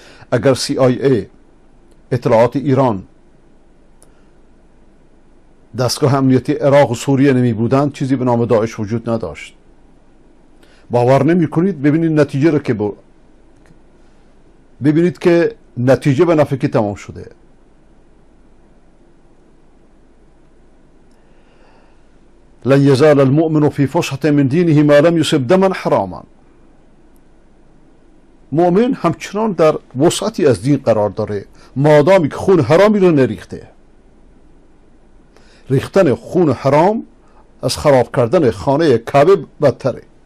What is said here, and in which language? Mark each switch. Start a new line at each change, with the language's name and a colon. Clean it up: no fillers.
Persian: اگر CIA، اطلاعات ایران، دستگاه امنیتی عراق و سوریه نمی بودند، چیزی به نام داعش وجود نداشت. باور نمی کنید؟ ببینید نتیجه رو که ببینید که نتیجه به نفع کی تمام شده.
Arabic: لن یزال المؤمن فی فسحة من دینه ما لم یصب دما حراما.
Persian: مؤمن همچنان در وسعتی از دین قرار داره مادامی که خون حرامی رو نریخته. ریختن خون حرام از خراب کردن خانه کعبه بدتره.